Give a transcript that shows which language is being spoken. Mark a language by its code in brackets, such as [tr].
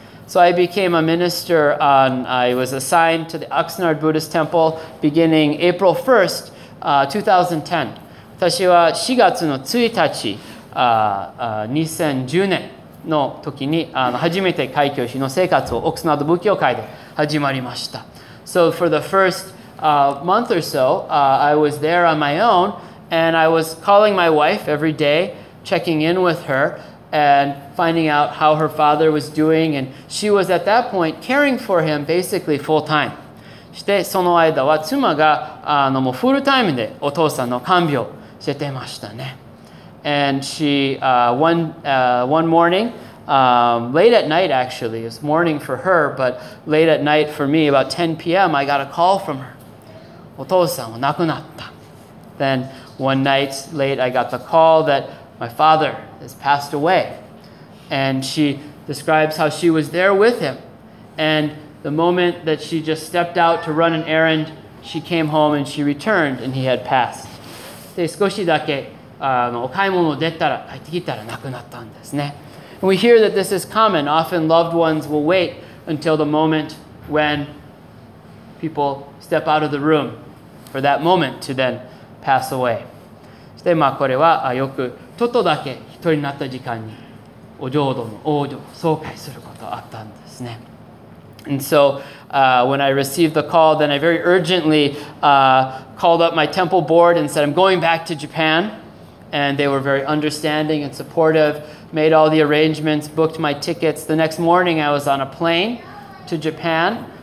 [en] So I became a minister on, I was assigned to the Oxnard Buddhist Temple beginning April 1st, 2010. [ja] 私は4月の1日、2010年の時に初めて開教師の生活をオクスナード仏教会で始まりました。 [en] So for the first month or so, I was there on my own, and I was calling my wife every day, checking in with her, and finding out how her father was doing, and she was at that point caring for him basically full time. [ja] してその間は妻がもうフルタイムでお父さんの看病してましたね。 [en] And she, one morning, late at night actually, it was morning for her, but late at night for me, about 10 p.m., I got a call from her. [ja] お父さんは亡くなった。 [en] Then one night late, I got the call that my father has passed away. And she describes how she was there with him. And the moment that she just stepped out to run an errand, she came home and she returned and he had passed. [ja] で、少しだけ。お買い物を出たら帰ってきたら亡くなったんですね。 [en] And we hear that this is common. Often loved ones will wait until the moment when people step out of the room for that moment to then pass away. [ja] そしてまあこれはよくちょっとだけ一人になった時間にお浄土の往生爽快することあったんですね。 [en] And so, when I received the call, then I very urgently called up my temple board and said, I'm going back to Japan. And they were very understanding and supportive, made all the arrangements, booked my tickets. The next morning, I was on a plane to Japan.